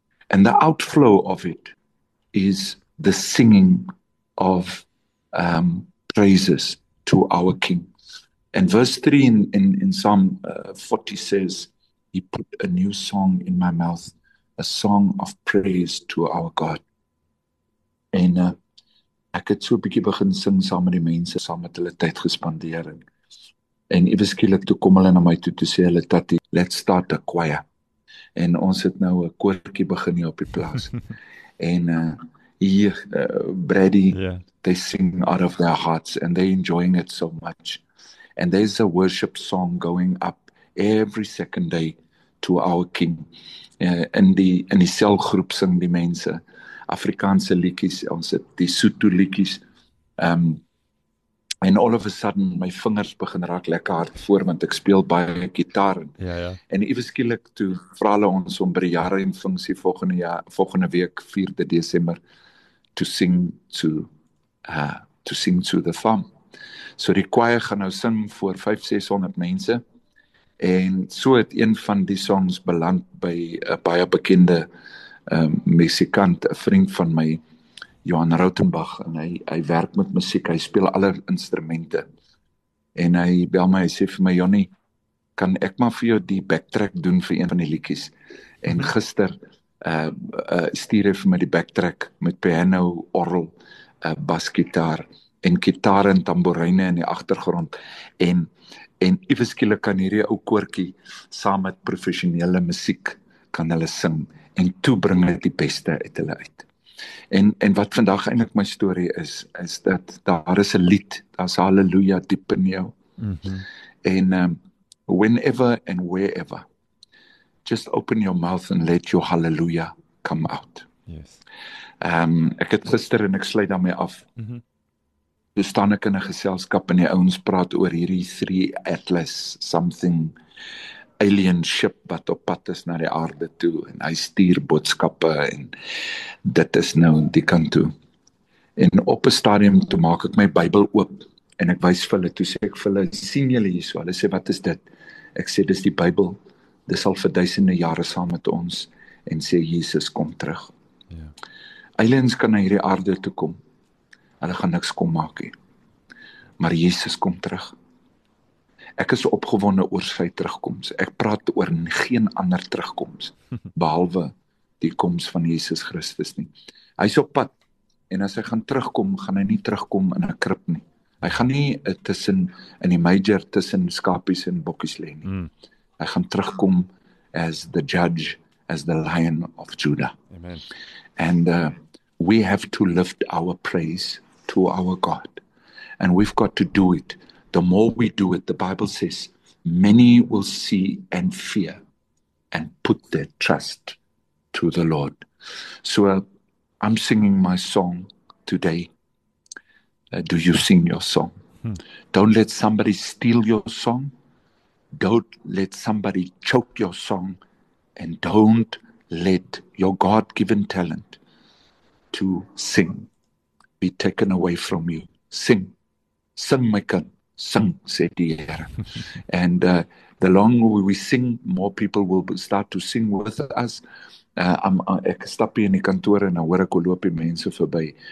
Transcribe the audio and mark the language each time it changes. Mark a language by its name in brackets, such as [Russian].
[English] And the outflow of it is the singing of praises to our King. And verse 3 in Psalm 40 says, He put a new song in my mouth, a song of praise to our God. [Afrikaans] En ek het so 'n bietjie begin sing saam met die mense, saam met hulle tyd gespandeer. En ieweskielik toe kom hulle na my toe sê hulle, Tati, [English] let's start a choir. [Afrikaans] En ons het nou 'n koortjie begin hier op die plaas. [English] En Braddy, they sing out of their hearts and they're enjoying it so much. And there's a worship song going up every second day to our King. [Afrikaans] In die selgroep sing die mense Afrikaanse liedjies, ons het die Sotho liedjies. [English] And all of a sudden, [Afrikaans] my vingers begin raak lekker hard voor, want ek speel baie gitaar. Ja, ja. En ieweskielik toe vra hulle ons om by die jare en funksie volgende week, 4 December, [English] to sing to the farm. [Afrikaans] So die choir gaan nou sing voor 500-600 mense. En so het een van die songs beland by 'n baie bekende musikant, 'n vriend van my, Johan Rautenbach, en hy werk met musiek, hy speel alle instrumente. En hy bel my, hy sê vir my, Jonny, kan ek maar vir jou die backtrack doen vir een van die liedjies? En gister stuur hy vir my die backtrack met piano, orgel, basgitaar, en kitaar en tamboreine in die agtergrond, en iewerskielik kan hierdie ou koortjie saam met professionele musiek kan hulle sing, en toe bring hulle die beste uit hulle uit. En wat vandag eintlik my storie is, is dat daar is 'n lied, daar's Halleluja diep in jou. [English] En whenever and wherever, just open your mouth and let your Halleluja come out. Yes. [Afrikaans] Ek het gister, en ek sluit daarmee af, toe staan ek in 'n geselskap en die ouens praat oor hierdie [English] three atlas something alien ship [Afrikaans] wat op pad is na die aarde toe, en hy stuur boodskappe, en dit is nou die kant toe. En op 'n stadium toe maak ek my Bybel oop en ek wys vir hulle, toe sê ek vir hulle, sien julle hierso? Hulle sê, wat is dit? Ek sê, dis die Bybel, dis al vir duisende jare saam met ons, en sê Jesus kom terug. Ja. Aliens kan na hierdie aarde toe kom, hulle gaan niks kom maak nie, maar Jesus kom terug. Ek is opgewonde oor sy terugkoms. Ek praat oor geen ander terugkoms behalwe die koms van Jesus Christus nie. Hy is op pad, en as hy gaan terugkom, gaan hy nie terugkom in 'n krib nie. Hy gaan nie tussen in die manger tussen skapies en bokkies lê nie. Hy gaan terugkom as [English] the judge, as the lion of Judah. Amen. And we have to lift our praise to our God. And we've got to do it. The more we do it, the Bible says, many will see and fear and put their trust to the Lord. So I'm singing my song today. Do you sing your song? Don't let somebody steal your song. Don't let somebody choke your song. And don't let your God-given talent to sing be taken away from you. Sing. Sing, [Afrikaans] my kind. [English] Sing, [Afrikaans] sê die Heere. [English] And the longer we sing, more people will start to sing with us. [Afrikaans] Ek stap hier in die kantoor en dan hoor ek hoe loop die mense verby.